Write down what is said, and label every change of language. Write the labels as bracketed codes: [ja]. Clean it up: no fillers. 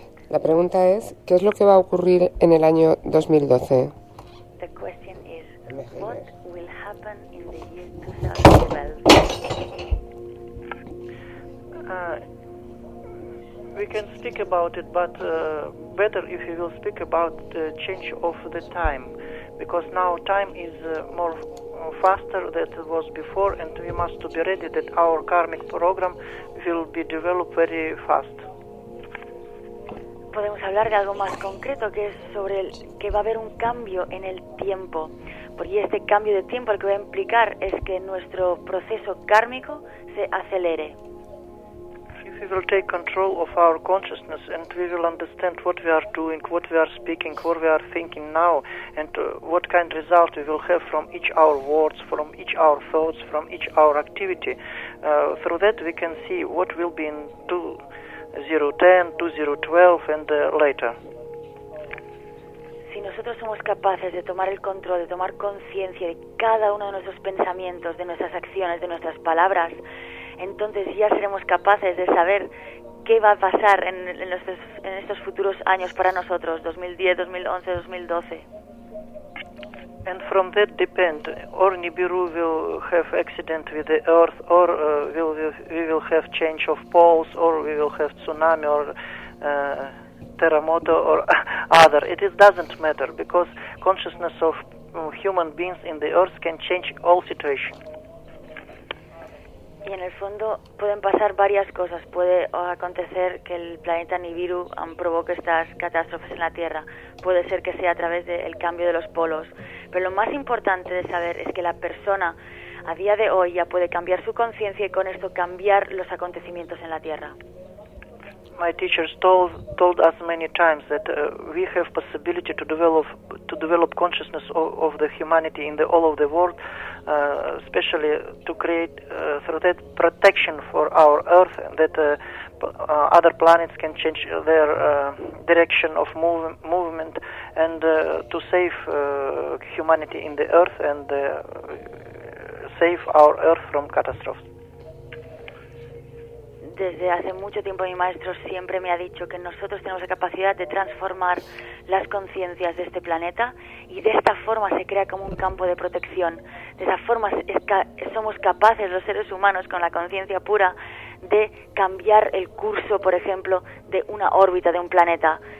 [es] La pregunta es, ¿qué es lo que va a ocurrir en el año 2012? [en] The question is, what will happen in the year 2012? We can speak about it, but better if you will speak about the change of the time, because now time is more faster than it was before, and we must to be ready that our karmic program will be developed very fast. [es] Podemos hablar de algo más concreto, que es sobre que va a haber un cambio en el tiempo. Porque este cambio de tiempo lo que va a implicar es que nuestro proceso kármico se acelere. [en] If we will take control of our consciousness and we will understand what we are doing, what we are speaking, what we are thinking now, and what kind of result we will have from each our words, from each our thoughts, from each our activity, through that we can see what will be in 2010, 2012 and later. [es] Si nosotros somos capaces de tomar el control, de tomar conciencia de cada uno de nuestros pensamientos, de nuestras acciones, de nuestras palabras, entonces ya seremos capaces de saber qué va a pasar en estos futuros años para nosotros, 2010, 2011, 2012. [en] And from that depend, or Nibiru will have accident with the earth, or we will have change of poles, or we will have tsunami, or terremoto, or other. It is doesn't matter, because consciousness of human beings in the earth can change all situation. [es] Y en el fondo pueden pasar varias cosas. Puede acontecer que el planeta Nibiru provoque estas catástrofes en la Tierra. Puede ser que sea a través del cambio de los polos. Pero lo más importante de saber es que la persona a día de hoy ya puede cambiar su conciencia y con esto cambiar los acontecimientos en la Tierra. [en] my teachers told us many times that we have possibility to develop consciousness of the humanity in the all of the world, especially to create through that protection for our Earth, that other planets can change their direction of movement, and to save humanity in the Earth and save our Earth from catastrophes. [es] Desde hace mucho tiempo mi maestro siempre me ha dicho que nosotros tenemos la capacidad de transformar las conciencias de este planeta, y de esta forma se crea como un campo de protección. De esa forma somos capaces los seres humanos, con la conciencia pura, de cambiar el curso, por ejemplo, de una órbita de un planeta.